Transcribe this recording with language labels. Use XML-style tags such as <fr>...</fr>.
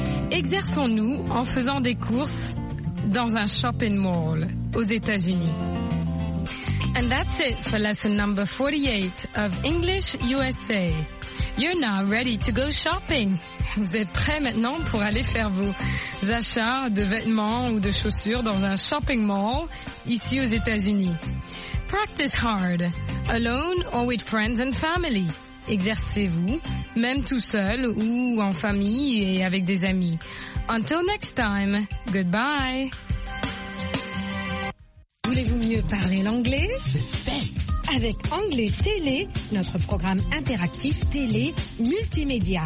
<fr>Exerçons-nous en faisant des courses dans un shopping mall aux États-Unis.</fr> <en>And that's it for lesson number 48 of English USA. You're now ready to go shopping.</en> <fr>Vous êtes prêts maintenant pour aller faire vos achats de vêtements ou de chaussures dans un shopping mall ici aux États-Unis.</fr> <en>Practice hard, alone or with friends and family.</en> <fr>Exercez-vous, même tout seul ou en famille et avec des amis.</fr> <en>Until next time, goodbye.</en> <fr>Voulez-vous mieux parler l'anglais? C'est fait! Avec Anglais Télé, notre programme interactif télé multimédia.</fr>